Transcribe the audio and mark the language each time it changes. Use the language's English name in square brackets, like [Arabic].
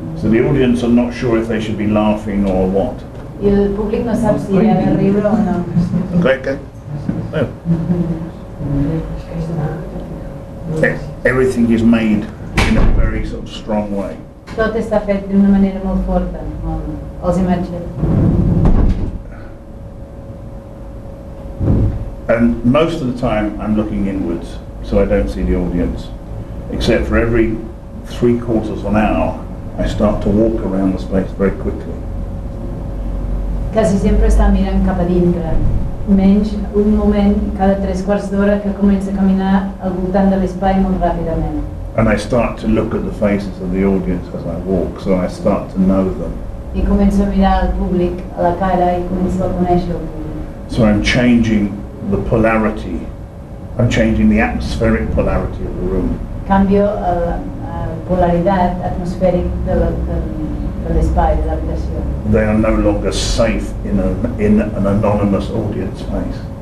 [English] So the audience are not sure if they should be laughing or what. [Spanish] Y el público no sabe si debe reír o no. [English] Okay, okay. Oh. Everything is made in a very sort of strong way. [Spanish] Todo está hecho de una manera muy fuerte, las imágenes. [English] And most of the time I'm looking inwards, so I don't see the audience. Except for every three quarters of an hour, I start to walk around the space very quickly. [Catalan] Quasi sempre sta mirando cap a dintre. Menys un moment cada tres quarts d'ora que comença a caminar al voltant de l'espai molt ràpidament. [English] And I start to look at the faces of the audience as I walk, so I start to know them. [Catalan] I comença a mirar al públic a la cara i comença a conèixer-lo. [English] So I'm changing the polarity, I'm changing the atmospheric polarity of the room. [Spanish] Cambio la polaridad atmosférica de [Catalan] l'espai, de l'habitació. [English] They are no longer safe in an anonymous audience space.